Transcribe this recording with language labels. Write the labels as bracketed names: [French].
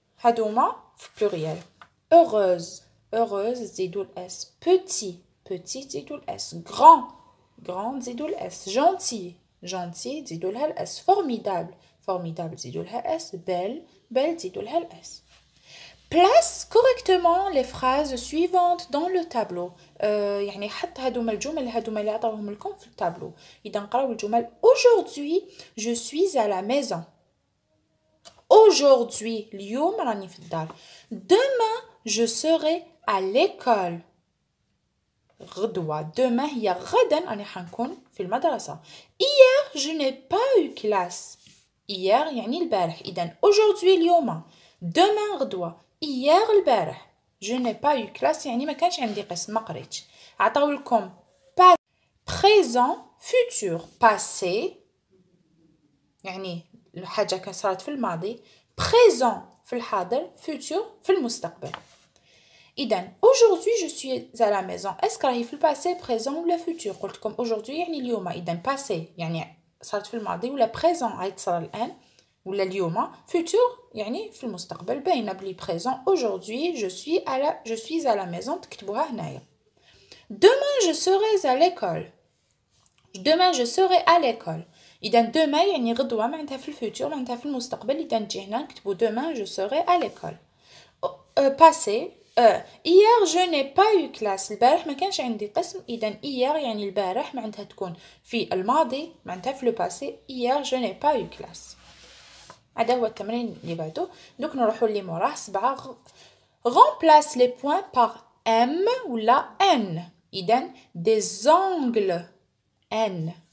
[French] Hadouma, pluriel. Heureuse. Heureuse, zidoul s. Petit. Petit, zidoul s. Grand. Grand, zidoul s. Gentil. Gentil, zidoul s. Formidable. Formidable, zidoul s. Belle. Belle, zidoul s. Place correctement les phrases suivantes dans le tableau. [Arabic] يعني حط هادوما الجمل هادوما اللي عطاوهم لكم في التابلو. إذا نقراو الجمل. [French] Aujourd'hui, je suis à la maison. [Arabic] Aujourd'hui, اليوم راني في الدار. [French] Demain, je serai à l'école. [Arabic] غدوة. Demain, هي غدا راني حنكون في المدرسة. [French] Hier, je n'ai pas eu classe. [Arabic] Hier, يعني البارح. إذا aujourd'hui, اليوم. Demain, غدوة. Hier, البارح. [French] Je n'ai pas eu classe. [Arabic] يعني ما كانش عندي قسم. ما قريتش. عطاو لكم. [French] Présent, futur. Passé. [Arabic] يعني الحاجة كسرت في الماضي. Présent في الحاضر. Futur في المستقبل. [French] إذن aujourd'hui je suis à la maison. Est-ce que [Arabic] راهي في الباسي, [French] présent ou le futur? [Arabic] قلتكم aujourd'hui يعني اليوم. إذن passé يعني صارت في الماضي ولا présent راهي تصرى الآن ولا اليوم. Futur يعني في المستقبل. باينة بلي présent. [French] Aujourd'hui je suis à la maison. [Arabic] تكتبوها هنايا. [French] Demain je serai à l'école. Demain je serai à l'école. [Arabic] إذن demain يعني غدوة معناتها في الفوتور معناتها في المستقبل. إذن تجي هنا نكتبو [French] demain je serai à l'école. [Arabic] Passé. [French] Hier je n'ai pas eu classe. [Arabic] البارح ما كانش عندي قسم. إذن hier يعني البارح معناتها تكون في الماضي معناتها في الباسي. [French] Hier je n'ai pas eu classe. [Arabic] هذا هو التمرين اللي بعده. دوك نروحو اللي موراه سبعة. [French] Remplace les points par M ou la N. إذن des angles N.